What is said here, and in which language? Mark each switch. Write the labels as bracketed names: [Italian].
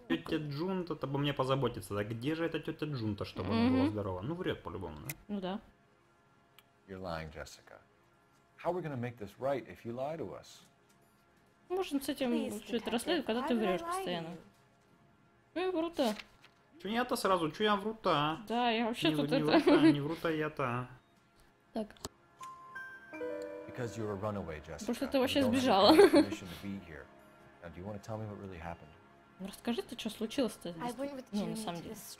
[Russian] Тетя Джун тут обо мне позаботится. Да где же эта тетя Джун-то, чтобы она была здорова? Ну, врет по-любому, да? Ну да. [English] You're lying, Jessica. How are we gonna make this right if you lie to us? [Russian] Можно с этим все это расследовать, когда ты врешь постоянно. Эй, вру-то. Че не я-то сразу? Че я вру-то, а? Да, я вообще не, тут не это... Не вру-то я-то, так. [English] Because you're a runaway, Jessica. [Russian] Потому что ты вообще сбежала. [English] Now, do you want to tell me what really happened? [Russian] Ну, расскажи, ты что случилось-то здесь, ну, на самом деле.